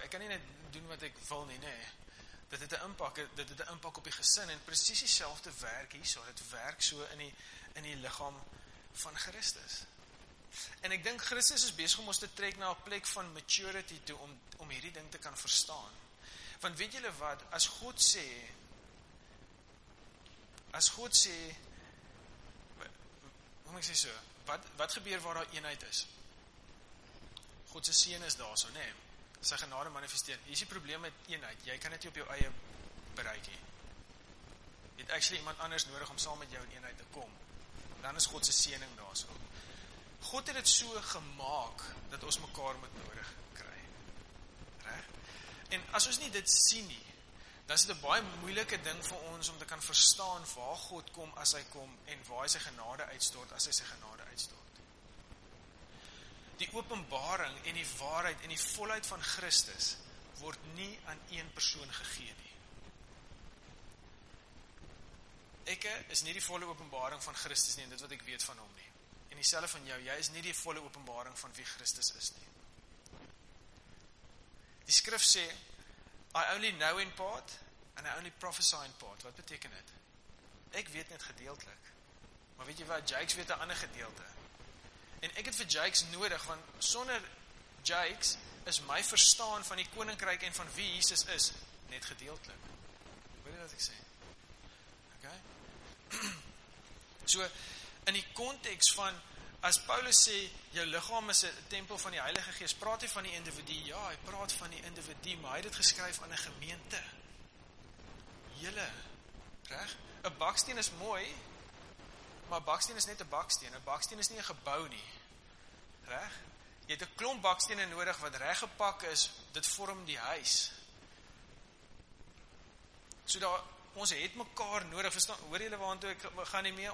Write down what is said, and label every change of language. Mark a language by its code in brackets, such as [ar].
[af] Ek kan nie net doen wat ek wil nie, nee. Dit het 'n impak op die gesin en presies dieselfde werk hier, so dit werk so in die liggaam van Christus. En ek dink Christus is besig om ons te trek na 'n plek van maturity toe om hierdie ding te kan verstaan. Want weet julle wat, as God sê, hoe moet ek sê so, wat gebeur waar daar eenheid is? God se seën is daar so, nê? Sy genade manifesteer. Hier is die probleem met eenheid. Jy kan dit op jou eie bereik nie. Jy het actually iemand anders nodig om saam met jou in eenheid te kom. Dan is God se seëning daar so. God het dit so gemaak dat ons mekaar moet nodig kry. Reg? En as ons nie dit sien nie, dan is dit 'n baie moeilike ding vir ons om te kan verstaan waar God kom as hy kom en waar hy sy genade uitstort as hy sy genade uitstort. Die openbaring en die waarheid en die volheid van Christus word nie aan een persoon gegee nie. Ek is nie die volle openbaring van Christus nie en dit wat ek weet van hom nie. En dieselfde van jou, jy is nie die volle openbaring van wie Christus is nie. Die skrif sê, [en] I only know in part and I only prophesy in part. [af] Wat beteken dit? Ek weet net gedeeltelik. Maar weet jy wat, Jakes weet 'n ander gedeelte. En ek het vir Jakes nodig, want sonder Jakes is my verstaan van die koninkryk en van wie Jesus is, net gedeeltelik. Hoor jy wat ek sê? Okay? So, in die konteks van, as Paulus sê, jou liggaam is 'n tempel van die Heilige Gees, praat hy van die individu, ja, hy praat van die individu, maar hy het dit geskryf aan 'n gemeente. Julle, reg? 'N baksteen is mooi, maar baksteen is net 'n baksteen. 'N baksteen is nie 'n gebou nie. Reg? Jy het 'n klomp bakstene nodig wat reg gepak is, dit vorm die huis. So daar, ons het mekaar nodig. Verstaan, hoor julle waartoe ek gaan nie mee?